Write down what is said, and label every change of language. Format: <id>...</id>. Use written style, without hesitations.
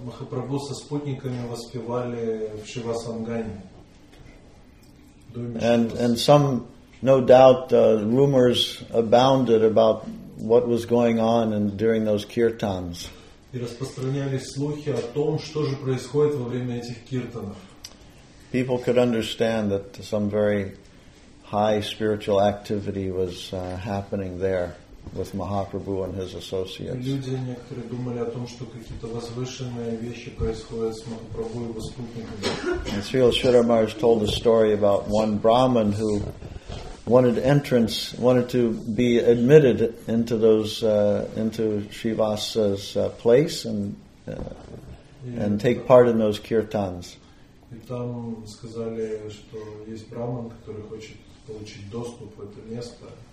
<ru>Прабу со спутниками воспевали в Шивасангане.</ru> <en>And some, no doubt, rumors abounded about what was going on during those kirtans.</en> <ru>И распространялись слухи о том, что же происходит во время этих киртанов.</ru> <en>People could understand that some very high spiritual activity was happening there with Mahaprabhu and his associates.</en> <ru>Люди некоторые думали о том, что какие-то возвышенные вещи происходят с Махапрабху и его спутниками.</ru> <en>Srila Sridhara Maharaj told a story about one Brahmin who wanted to be admitted into into Srivasa's place and take part in those kirtans.</en> <ru>И там сказали, что есть Брахман, который хочет получить доступ в это место.</ru>